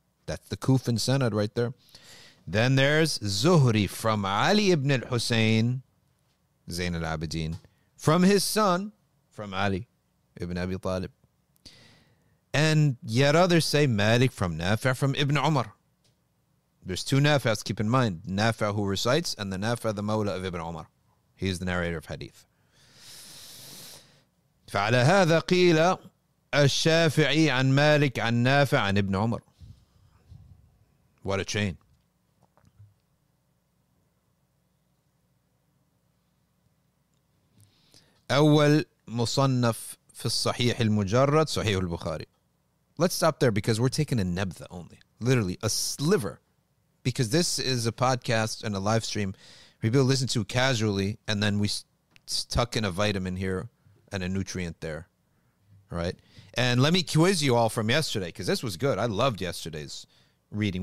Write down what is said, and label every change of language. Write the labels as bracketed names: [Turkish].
[English] That's the Kufan Sanad right there. Then there's Zuhri from Ali Ibn al-Husayn Zain al-Abidin from his son from Ali Ibn Abi Talib. And yet others say Malik from Nafi' from Ibn Umar. There's two Nafas, keep in mind. Nafa who recites, and the Nafa, the Mawla of Ibn Umar. He is the narrator of Hadith. [Arabic] فعلى هذا قيل الشافعي عن مالك عن نافع عن ابن عمر. [English] What a chain. [Arabic] أول مصنف في الصحيح المجرد صحيح البخاري. [English] Let's stop there because we're taking a nabdha only. Literally, a sliver. Because this is a podcast and a live stream people listen to casually, and then we tuck in a vitamin here and a nutrient there, right? And let me quiz you all from yesterday, because this was good. I loved yesterday's reading.